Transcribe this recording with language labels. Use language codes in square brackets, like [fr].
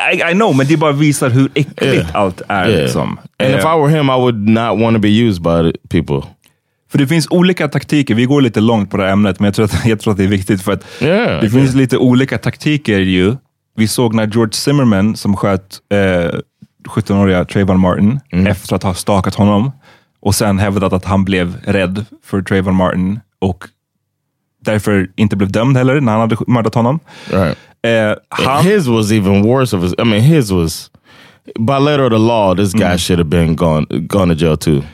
[en] I know, [sv] men det bara visar hur äckligt allt är liksom. [en] And if I were him, I would not want to be used by people. [sv] För det finns olika taktiker. Vi går lite långt på det ämnet, men jag tror att det är viktigt för att det finns lite olika taktiker ju. Vi såg när George Zimmerman, som sköt 17-åriga Trayvon Martin efter att ha stalkat honom och sen hävdat att han blev rädd för Trayvon Martin och därför inte blev dömd heller när han hade mördat honom. [en] Right. His was even worse. His was, by letter of the law, this guy should have been gone to jail too.